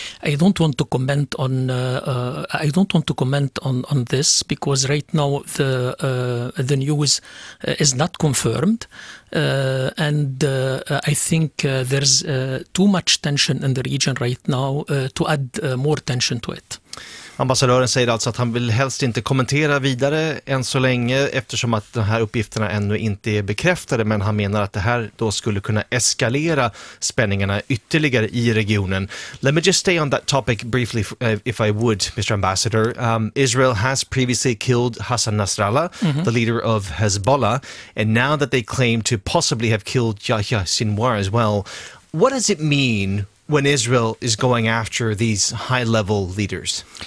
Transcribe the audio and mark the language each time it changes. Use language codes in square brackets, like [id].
[en] I don't want to comment on I don't want to comment on this because right now the news is not confirmed, and I think there's too much tension in the region right now to add more tension to it. [sv] Ambassadören säger alltså att han vill helst inte kommentera vidare än så länge eftersom att de här uppgifterna ännu inte är bekräftade, men han menar att det här då skulle kunna eskalera spänningarna ytterligare i regionen. [en] Let me just stay on that topic briefly if I would, Mr. Ambassador. Israel has previously killed Hassan Nasrallah, the leader of Hezbollah, and now that they claim to possibly have killed Yahya Sinwar as well, what does it mean when Israel is going after these high-level leaders?